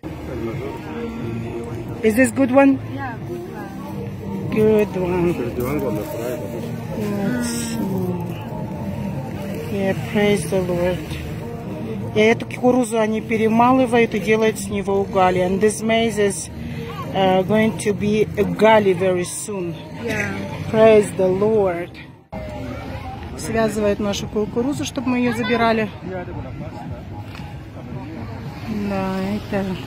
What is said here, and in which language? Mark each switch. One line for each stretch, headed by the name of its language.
English: Is this good one? Yeah, good one. Good one. Let's see. Yeah, praise the Lord.
Russian: И эту кукурузу они перемалывают и делают с него угали.
English: And this maize is going to be ugali very soon. Yeah. Praise the Lord.
Russian: Связывают нашу кукурузу, чтобы мы ее забирали. Да, это...